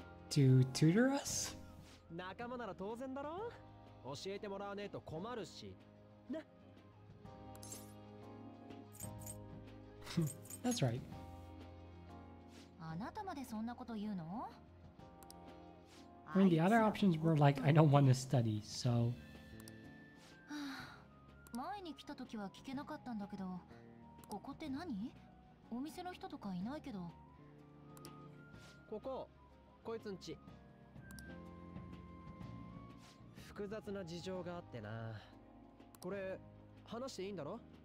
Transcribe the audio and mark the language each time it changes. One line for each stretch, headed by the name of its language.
English: To tutor us?
Japanese: 仲間なら当然だろ。教えてもらわねえと困るし。な。
English: That's right.
Japanese: あなたまでそんなこと言うの？
English: I mean, the other options were like, I don't want to study, so.
Japanese: 前に来た時は聞けなかったんだけど、ここって何？お店の人とかいないけど。ここ、こいつんち。複雑な事情があってな。これ、話していいんだろ？